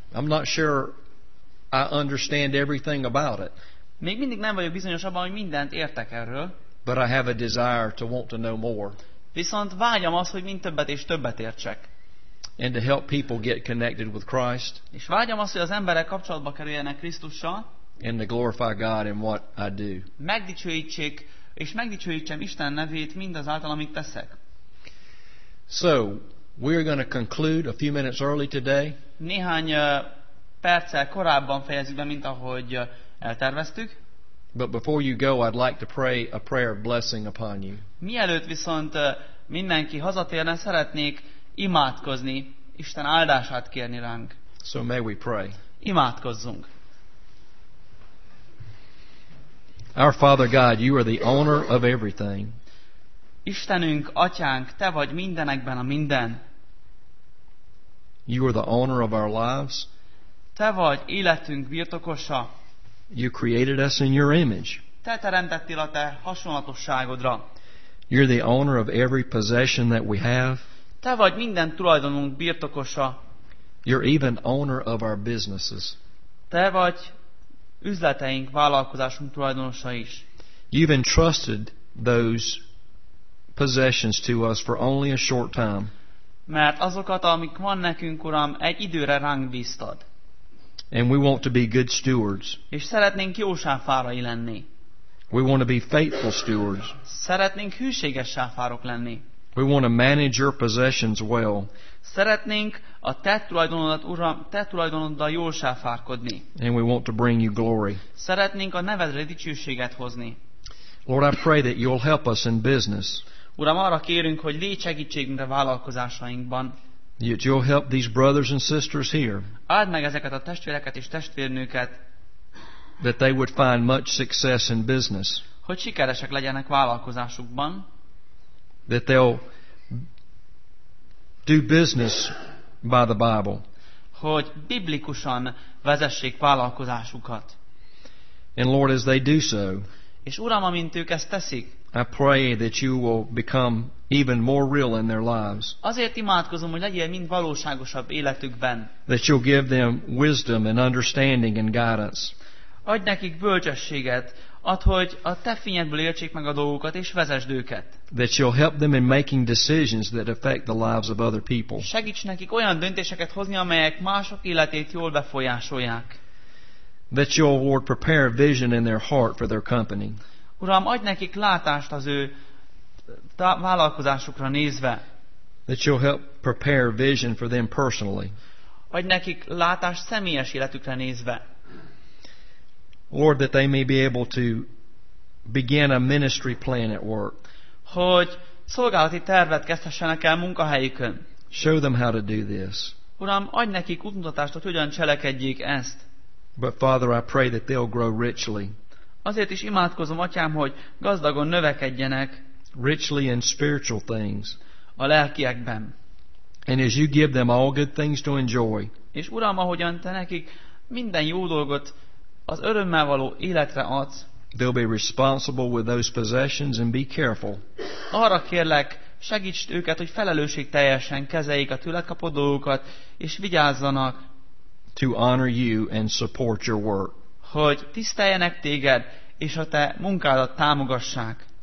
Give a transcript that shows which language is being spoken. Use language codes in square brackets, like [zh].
[en] I'm not sure I understand everything about it. [hu] Még mindig nem vagyok bizonyos abban, hogy mindent értek erről. [en] But I have a desire to want to know more. [hu] Viszont vágyam az, hogy mind többet és többet értsek. [en] And to help people get connected with Christ. [hu] És vágyam az, hogy az emberek kapcsolatba kerüljenek Krisztussal. [en] And to glorify God in what I do. [hu] Megdicsőítsék és megdicsőítsem Isten nevét mindazáltal, amit teszek. [en] So, we are going to conclude a few minutes early today. [hu] Néhány perccel korábban fejezzük be, mint ahogy elterveztük. [en] But before you go, I'd like to pray a prayer of blessing upon you. [hu] Mielőtt viszont mindenki hazatérne, szeretnék imádkozni, Isten áldását kérni ránk. [en] So may we pray. [hu] Imádkozzunk. [en] Our Father God, you are the owner of everything. [hu] Istenünk, Atyánk, te vagy mindenekben a minden. [en] You are the owner of our lives. [hu] Te vagy életünk birtokosa. [en] You created us in your image. [hu] Te teremtettél a te hasonlatosságodra. [en] You're the owner of every possession that we have. [hu] Te vagy minden tulajdonunk birtokosa. [en] You're even owner of our businesses. [hu] Te vagy üzleteink, vállalkozásunk tulajdonosa is. [en] You've entrusted those possessions to us for only a short time. [hu] Mert azokat, amik van nekünk, Uram, egy időre ránk bíztad. [en] And we want to be good stewards. [hu] És szeretnénk jó sáfárai lenni. [en] We want to be faithful stewards. [hu] Szeretnénk hűséges sáfárok lenni. [en] We want to manage your possessions well. [hu] Szeretnénk a te tulajdonodat, Uram, te tulajdonoddal jól sáfárkodni. [en] And we want to bring you glory. [hu] Szeretnénk a nevedre dicsőséget hozni. [en] Lord, I pray that you'll help us in business. [hu] Uram, arra kérünk, hogy légy segítségünk a vállalkozásainkban. [en] That you'll help these brothers and sisters here. [hu] Add meg ezeket a testvéreket és testvérnőket. [en] That they would find much success in business. [hu] Hogy sikeresek legyenek vállalkozásukban. [en] That they'll do business by the Bible. [hu] Hogy biblikusan vezessék vállalkozásukat. [en] And Lord, as they do so, [hu] és Uram, amint ők ezt teszik, [en] I pray that you will become even more real in their lives. [hu] Azért imádkozom, hogy legyél mind valóságosabb életükben. [en] That you'll give them wisdom and understanding and guidance. [hu] Adj nekik bölcsességet, add, hogy a te fényedből értsék meg a dolgokat és vezesd őket. [en] That you'll help them in making decisions that affect the lives of other people. [hu] Segíts nekik olyan döntéseket hozni, amelyek mások életét jól befolyásolják. [en] That you'll, Lord, prepare a vision in their heart for their company. [hu] Uram, adj nekik látást az ő vállalkozásukra nézve. [en] That you'll help prepare a vision for them personally. [hu] Adj nekik látást személyes életükre nézve. [en] Lord, that they may be able to begin a ministry plan at work. [hu] Hogy szolgálati tervet kezdhessenek el munkahelyükön. [en] Show them how to do this. [hu] Uram, adj nekik útmutatást, hogy hogyan cselekedjék ezt. [en] But Father, I pray that they'll grow richly. [hu] Azért is imádkozom, Atyám, hogy gazdagon növekedjenek. [en] Richly in spiritual things. [hu] A lelkiekben. [en] And as you give them all good things to enjoy. [hu] És Uram, ahogyan te nekik minden jó dolgot az örömmel való életre adsz. [en] They'll be responsible with those possessions and be careful. [hu] Arra kérlek, segítsd őket, hogy felelősségteljesen kezeljék a tőle kapott dolgokat, és vigyázzanak. [en] To honor you and support your work. [hu] Hogy tiszteljenek téged, és a te munkádat támogassák.